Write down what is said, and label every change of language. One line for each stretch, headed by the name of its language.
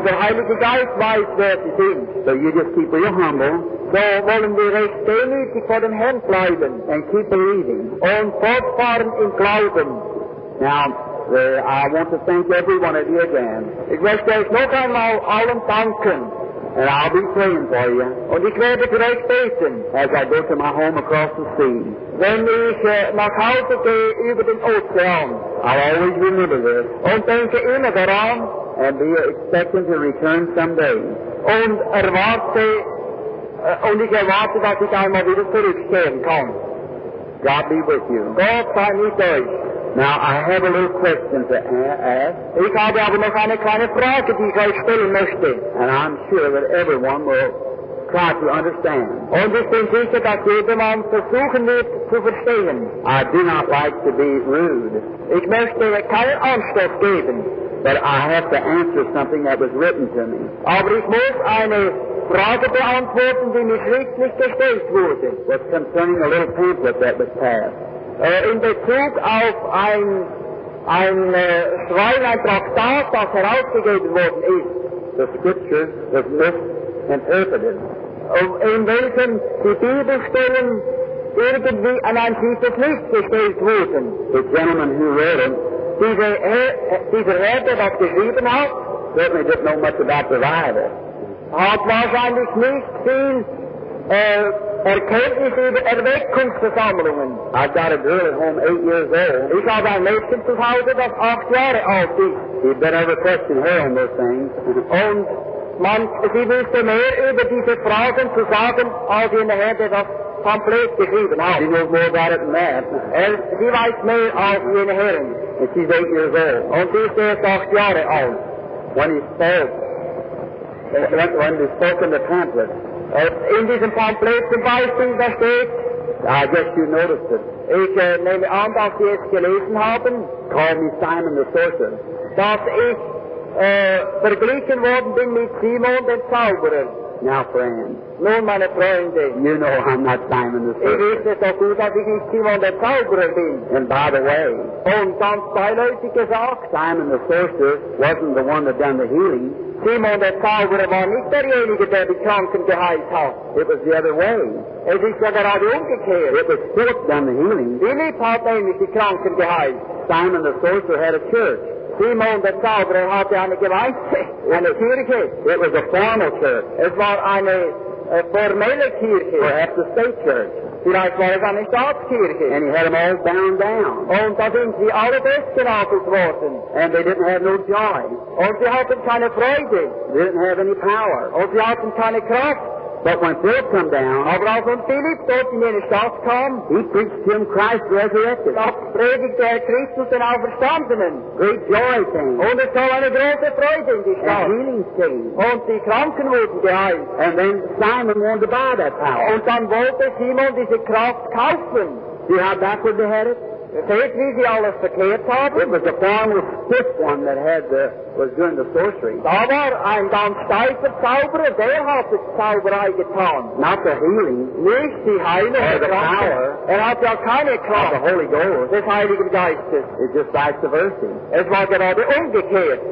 German: Der Heilige Geist weiß, wer sie sind.
English: So you just keep real humble.
German: So wollen wir recht demütig vor dem Herrn bleiben.
English: And keep believing.
German: Und fortfahren im Glauben.
English: Now, I want to thank every one of you again.
German: Ich möchte euch noch einmal allen danken.
English: And I'll be praying for you.
German: Und ich werde für euch beten.
English: As I go to my home across the sea.
German: Wenn ich nach Hause gehe über den Ozean.
English: I'll always remember this.
German: Und denke immer daran.
English: And be expecting to return someday.
German: Und ich erwarte, dass ich einmal wieder zurückkehren kann.
English: God be with you.
German: Gott sei mit euch.
English: Now, I have a little question to ask.
German: Ich habe aber noch eine kleine Frage, die ich euch stellen möchte.
English: And I'm sure that everyone will try to understand.
German: Und ich bin sicher, dass jedermann versuchen wird, zu verstehen.
English: I do not like to be rude.
German: Ich möchte keinen Anstoß geben.
English: But I have to answer something that was written to me.
German: Aber ich muss eine Frage beantworten, die mir schriftlich gestellt wurde.
English: Was concerning a little pamphlet that was passed.
German: In Bezug auf ein Traktat, das herausgegeben worden ist.
English: The scriptures was misinterpreted.
German: In welchen die Bibelstellen irgendwie an ein tiefes Licht gestellt wurden.
English: The gentleman who read them.
German: Dieser Herr, der das geschrieben hat,
English: certainly didn't know much about the Bible.
German: Hat wahrscheinlich nicht viel Erkenntnis über Erweckungsversammlungen.
English: I've got a girl at home 8 years old.
German: Ich habe ein Mädchen zu Hause, das 8 Jahre alt ist.
English: You'd better have a question her on those things.
German: Und man, sie wüsste mehr über diese Fragen zu sagen, als in der Herr, der das Pamphlet geschrieben hat.
English: She knows more about it than that.
German: Sie weiß mehr als in der Herr.
English: And she's 8 years old.
German: Und sie ist erst 8 Jahre alt.
English: When he spoke. When he spoke in the pamphlet.
German: In diesem Pamphlet zum Beispiel, da steht,
English: I guess you noticed it.
German: Ich nehme an, dass Sie es gelesen haben.
English: Call me Simon the Sorcerer.
German: Dass ich verglichen worden bin mit Simon, dem Zauberer.
English: now, friend.
German: No, meine Freunde.
English: You know I'm not Simon the Sorcerer. And by the way,
German: und ganz beiläufig gesagt,
English: Simon the Sorcerer wasn't the one that done the healing.
German: Simon der Zauberer war nicht derjenige, der die Kranken geheilt hat.
English: It was the other way.
German: Es ist ja gerade umgekehrt.
English: It was Philip done the healing.
German: Philip hat nämlich die Kranken geheilt.
English: Simon the Sorcerer had a church.
German: Simon der Zauberer hatte eine Gemeinde, eine Kirche.
English: It was a formal church.
German: Es war eine formelle Kirche.
English: Perhaps a state church.
German: Vielleicht war es eine Staatskirche.
English: And he had them all bound down.
German: Und da sind sie alle festgenagelt worden.
English: And they didn't have no joy.
German: Und sie hatten keine Freude.
English: They didn't have any power.
German: Und sie hatten keine Kraft.
English: But when Philip came down,
German: aber als Philip dort in den Stadt kam,
English: he preached him Christ resurrected.
German: Da predigte er Christus den Auferstandenen.
English: Great joy came.
German: Und es kam eine große Freude in die Stadt.
English: And healing came.
German: Und die Kranken wurden geheilt.
English: And then Simon wanted to buy that power.
German: Und dann wollte Simon diese Kraft kaufen.
English: See how backward they had it?
German: Seht, wie sie alles verkehrt haben?
English: It was a formal stiff one that had the was doing the sorcery.
German: Da war ein ganz steifer Zauberer, der hat die Zauberei getan.
English: Not the healing.
German: Nicht die Heilung.
English: Or the power.
German: Er hat ja keine Kraft.
English: Of the Holy Ghost.
German: Des Heiligen Geistes.
English: It's just vice versa.
German: Es war gerade umgekehrt.